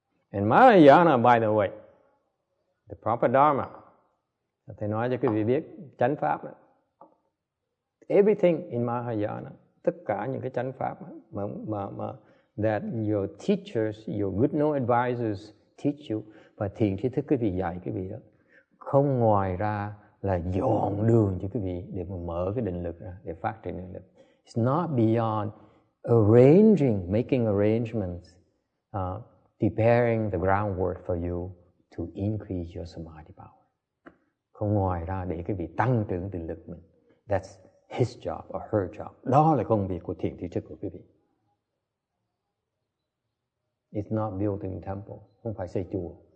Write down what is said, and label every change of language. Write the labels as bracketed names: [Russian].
[English] And Mahayana, by the way, the proper dharma, [Vietnamese] thầy nói cho quý vị biết, chánh pháp, [English] everything in Mahayana, [Vietnamese] tất cả những cái chánh pháp mà [English] that your teachers, your good know advisors teach you, [Vietnamese] và thiền tri thức quý vị dạy quý vị đó, không ngoài ra là dọn đường cho quý vị để mà mở cái định lực ra, để phát triển định lực. [English] It's not beyond arranging, making arrangements, preparing the groundwork for you to increase your samadhi power. [Vietnamese] Không ngoài ra để quý vị tăng trưởng định lực mình. [English] That's his job or her job. [Vietnamese] Đó là công việc của thiền tri thức của quý vị. [English] It's not building temple. [Vietnamese] Không phải xây chùa.